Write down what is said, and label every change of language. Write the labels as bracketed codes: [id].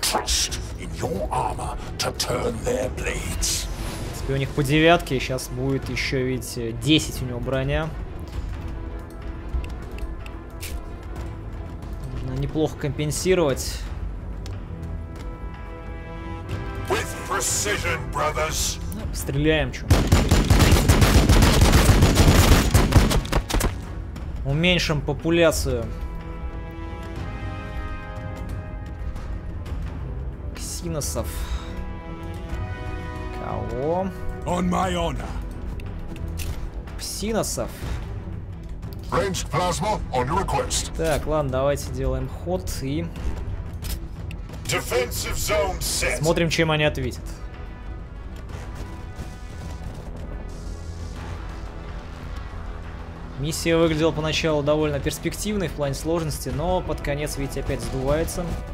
[ru] У них по девятке, сейчас будет еще, видите, 10 у него броня. Нужно неплохо компенсировать. [en] With precision, brothers. [ru] Стреляем, чё. Уменьшим популяцию. Ксиносов. Кого? [en] On my honor. [ru] Псиносов. [en] Range plasma on your request. [ru] Так, ладно, давайте делаем ход и [en] defensive zone set. [ru] Смотрим, чем они ответят. Миссия выглядела поначалу довольно перспективной в плане сложности, но под конец, видите, опять сдувается.